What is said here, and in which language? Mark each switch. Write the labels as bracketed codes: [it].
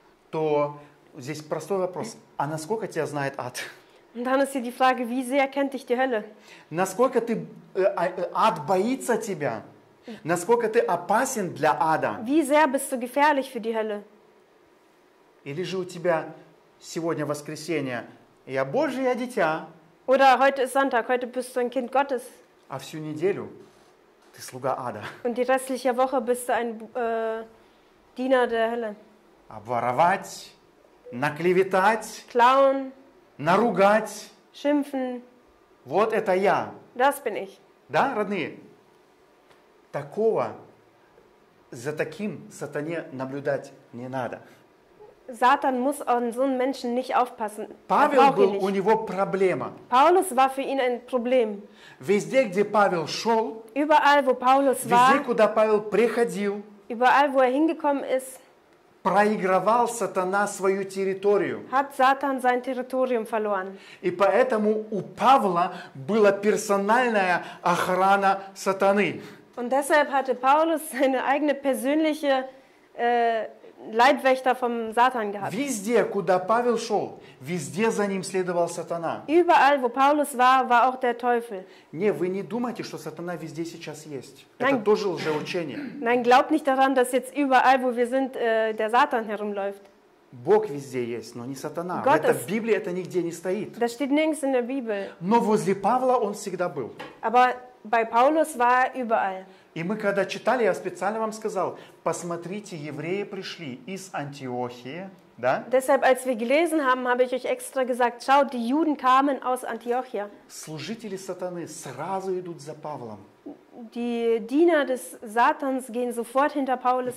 [ru] То здесь простой вопрос. А насколько тебя знает ад? [de] Und dann ist hier die Frage, wie sehr kennt dich die Hölle? [ru] Насколько ты ад боится тебя? Насколько ты опасен для ада? [de] Wie sehr bist du gefährlich für die Hölle? [ru] Или же у тебя сегодня воскресенье, я Божье дитя? [de] Oder heute ist Sonntag, heute bist du ein Kind Gottes. [ru] А всю неделю ты слуга ада. [de] Und die restliche Woche bist du ein Diener der Hölle. [ru] Обворовать, наклеветать. [de] Klauen. [ru] Наругать. [de] Schimpfen. [ru] Вот это я. [de] Das bin ich. [ru] Да, родные? Такого за таким сатане наблюдать не надо. [de] Satan muss an so einen Menschen nicht aufpassen. [ru] Павел был [de] nicht. [ru] У него проблема. [de] Paulus war für ihn ein Problem. [ru] Везде, где Павел шел, [de] überall, wo Paulus [ru] везде, [de] war, [ru] куда Павел приходил, [de] überall, wo er hingekommen ist, [ru] проигрывал сатана свою территорию. [de] Hat Satan sein Territorium verloren. [ru] И поэтому у Павла была персональная охрана сатаны. [de] Und deshalb hatte Paulus seine eigene persönliche Leibwächter vom Satan gehabt. [ru] Везде, куда Павел шел, везде за ним следовал сатана. [de] Überall, wo Paulus war, war auch der Teufel. [ru] Не, вы не думайте, что сатана везде сейчас есть. [de] Nein. [ru] Это тоже лжеучение. [de] Nein, glaubt nicht daran, dass jetzt überall, wo wir sind, der Satan herumläuft. [ru] Бог везде есть, но не сатана. Это в Библии это нигде не стоит. [de] Das steht nirgends in der Bibel. [ru] Но возле Павла он всегда был. [de] Aber bei Paulus war er überall. [ru] И мы когда читали, я специально вам сказал, посмотрите, евреи пришли из Антиохии, да? [de] Deshalb, als wir gelesen haben, habe ich euch extra gesagt, schaut, die Juden kamen aus Antiochia. [ru] Служители сатаны сразу идут за Павлом. [de] Die Diener des Satans gehen sofort hinter Paulus